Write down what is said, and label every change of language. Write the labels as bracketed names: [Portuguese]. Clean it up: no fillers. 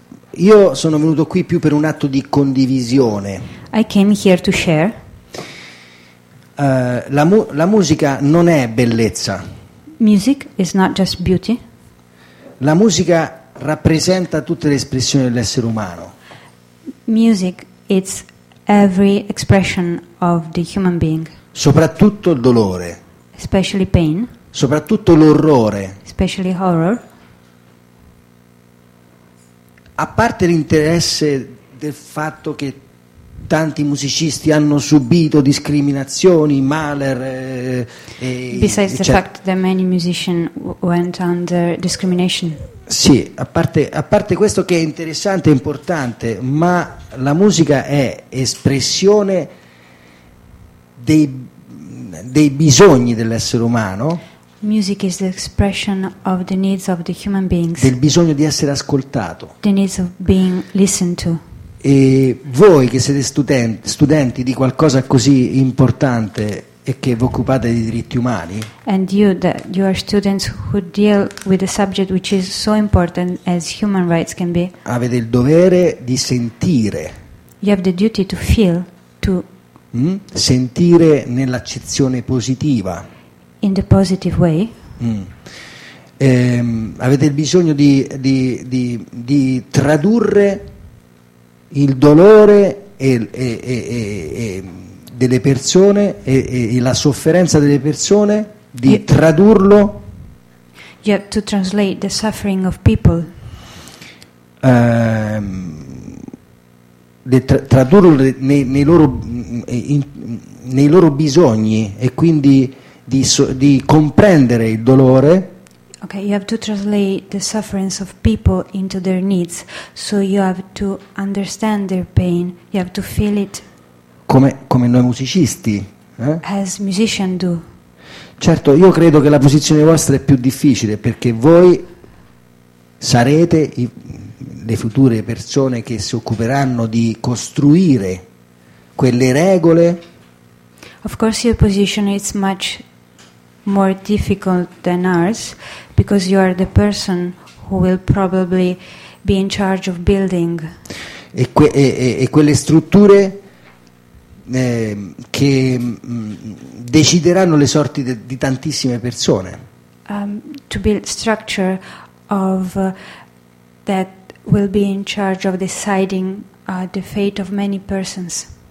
[Italian] Io sono venuto qui più per un atto di condivisione. [English] I came here to share. [Italian] La musica non è bellezza. [English] Music is not just beauty. [Italian] La musica rappresenta tutte le espressioni dell'essere umano. [English] Music is every expression of the human being. [Italian] Soprattutto il dolore. [English] Especially pain. [Italian] Soprattutto l'orrore. [English] Especially horror. [Italian] A parte l'interesse del fatto che tanti musicisti hanno subito discriminazioni, Mahler, [English] besides the fact that many musicians went under discrimination. [Italian] Sì, a parte questo che è interessante, importante, ma la musica è espressione dei bisogni dell'essere umano. [English] Music is the expression of the needs of the human beings. [Italian] Del bisogno di essere ascoltato. [English] The needs of being listened to. [Italian] E voi che siete studenti di qualcosa così importante e che vi occupate di diritti umani, [English] and you that you are students who deal with a subject which is so important as human rights can be, [Italian] avete il dovere di sentire. [English] You have the duty to feel, to [Italian] sentire nell'accezione positiva. [English] In the positive way. [Italian] Avete il bisogno di tradurre il dolore e delle persone e la sofferenza delle persone, di tradurlo. [English] You have to translate the suffering of people. [Italian] Tradurlo nei loro bisogni, e quindi di comprendere il dolore. [English] Okay, you have to translate the sufferings of people into their needs, so you have to understand their pain, you have to feel it. [Italian] Come noi musicisti. [English] As musicians do. [Italian] Certo, io credo che la posizione vostra è più difficile, perché voi sarete le future persone che si occuperanno di costruire quelle regole. [English] Of course your position is much more difficult than ours, because you are the person who will probably be in charge of building. [Italian] e quelle strutture che decideranno le sorti di tantissime persone. [English] To build structure of that will be in charge of deciding the fate of many persons.